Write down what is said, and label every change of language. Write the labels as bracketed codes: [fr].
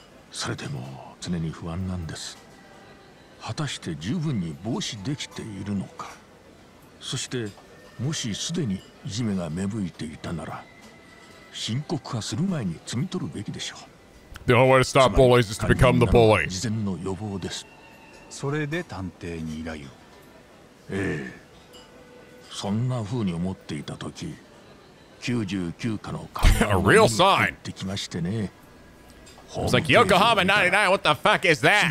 [ja] それでも常に不安なんです。果たして十分に防止できているのか。そしてもしすでにいじめが芽吹いていたなら、深刻化する前に摘み取るべきでしょう。 [en] The only way to stop bullies is to become the bully. [ja] 事前の予防です。それで探偵に依頼を。ええ。そんな風に思っていた時、99課の看板に入ってきましてね。 [en] It's like Yokohama 99, what the fuck is that?